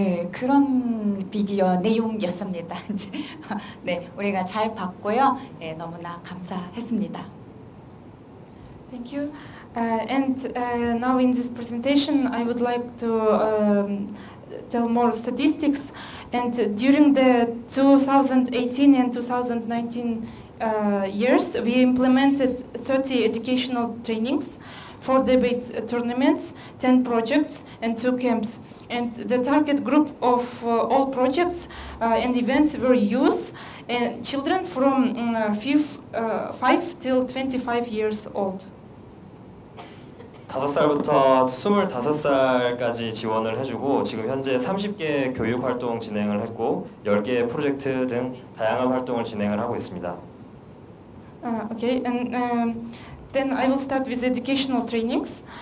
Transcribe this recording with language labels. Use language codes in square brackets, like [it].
[ko] 그런 비디오 내용이었습니다. 네, 우리가 잘 봤고요. 네, 너무나 감사했습니다. [en] Thank you. And now in this presentation I would like to tell more statistics. And during the 2018 and 2019 years, we implemented 30 educational trainings 4 debate tournaments, 10 projects, and 2 camps. And the target group of all projects and events were youth and children from 5 till 25 years old. [ko] 5살부터 25살까지 지원을 해주고 지금 현재 30개 교육 활동 진행을 했고 10개 프로젝트 등 다양한 활동을 진행을 하고 있습니다. [en] Okay, and then I will start with educational trainings.